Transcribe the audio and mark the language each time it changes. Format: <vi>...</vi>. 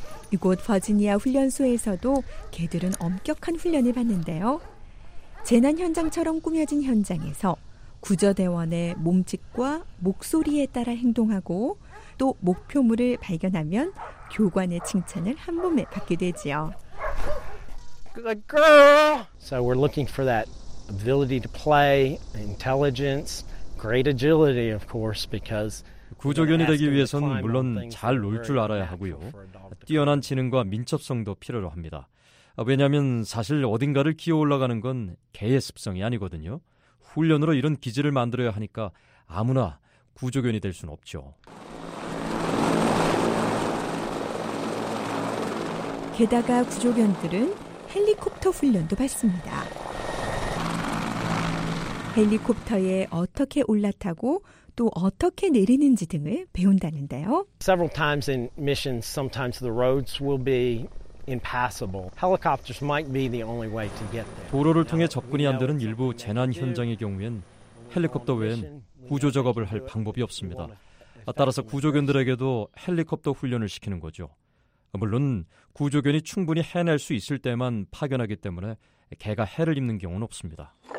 <ko>이곳 버지니아 훈련소에서도 개들은 엄격한 훈련을 받는데요. 재난 현장처럼 꾸며진 현장에서 구조대원의 몸짓과 목소리에 따라 행동하고 또 목표물을 발견하면 교관의 칭찬을 한 몸에 받게 되지요.</ko> <en>Good girl. So we're looking for that ability to play, intelligence, great agility, of course, because</en> <ko>구조견이 되기 위해서는 물론 잘 놀 줄 알아야 하고요. 뛰어난 지능과 민첩성도 필요로 합니다. 왜냐하면 사실 어딘가를 기어올라가는 건 개의 습성이 아니거든요. 훈련으로 이런 기질을 만들어야 하니까 아무나 구조견이 될 수는 없죠. 게다가 구조견들은 헬리콥터 훈련도 받습니다. 헬리콥터에 어떻게 올라타고 또 어떻게 내리는지 등을 배운다는데요.</ko> <en>Several times in missions, sometimes the roads will be impassable. Helicopters might be the only way to get there.</en> <ko>도로를 통해 접근이 안 되는 일부 재난 현장의 경우엔 헬리콥터 외엔 구조 작업을 할 방법이 없습니다. 따라서 구조견들에게도 헬리콥터 훈련을 시키는 거죠. 물론 구조견이 충분히 해낼 수 있을 때만 파견하기 때문에 개가 해를 입는 경우는 없습니다.</ko>